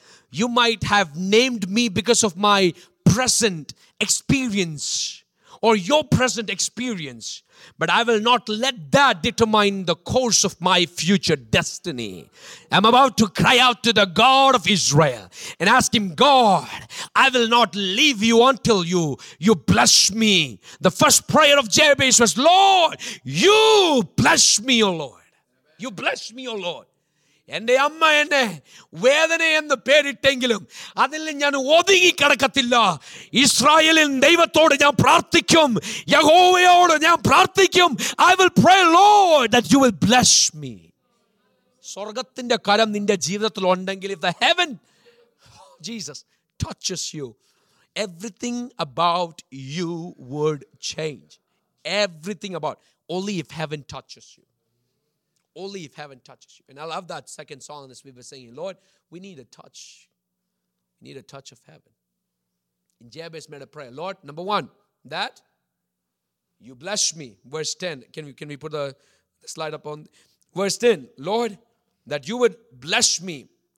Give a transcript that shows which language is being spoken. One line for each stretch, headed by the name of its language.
English: You might have named me because of my present experience or your present experience, but I will not let that determine the course of my future destiny. I'm about to cry out to the God of Israel and ask him, God, I will not leave you until you bless me. The first prayer of Jabez was, Lord, you bless me, O Lord. You bless me, O Lord.
Malayalam: എൻ്റെ അമ്മ എന്നെ വേദനയെന്ന് പേരിട്ടെങ്കിലും അതിൽ ഞാൻ ഒതുങ്ങിക്കിടക്കത്തില്ല. ഇസ്രായേലിൻ ദൈവത്തോട് ഞാൻ പ്രാർത്ഥിക്കും, യഹോവയോട് ഞാൻ പ്രാർത്ഥിക്കും.
English: I will pray Lord that you will bless me.
Malayalam: സ്വർഗത്തിന്റെ കരം നിന്റെ ജീവിതത്തിൽ ഉണ്ടെങ്കിൽ,
English: If the heaven Jesus touches you, everything about you would change. Everything about only if heaven touches you. Only if heaven touches you. And I love that second song as we were singing. Lord, we need a touch. We need a touch of heaven. And Jabez made a prayer. Lord, number one, that you bless me. Verse 10. Can we put the slide up on? Verse 10. Lord, that you would bless me.